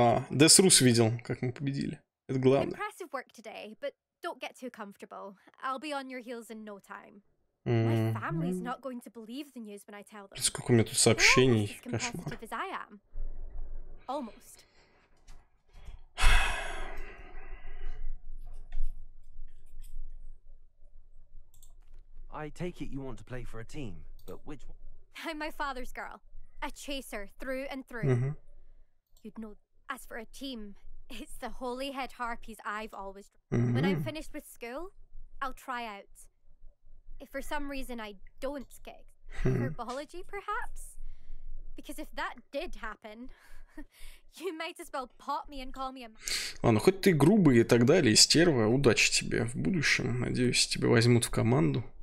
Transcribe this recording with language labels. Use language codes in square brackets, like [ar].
[ru] Десрус видел, как мы победили. Это главное. [en] Don't get too comfortable. I'll be on your heels in no time. My family's not going to believe the news when I tell them. [ru] Сколько у меня тут сообщений, кошмар. [en] Almost. Yeah, I take it you want to play for a team, but which one? I'm my father's girl. A chaser through and through. Mm-hmm. You'd know, as for a team, it's the Holyhead Harpies I've always drawn. Mm-hmm. When I'm finished with school, I'll try out. If for some reason I don't skig, herbology perhaps? Because if that did happen, you might as well pop me and call me a... [ru] Ладно, хоть ты грубый и так далее, и стерва, удачи тебе в будущем. Надеюсь, тебя возьмут в команду.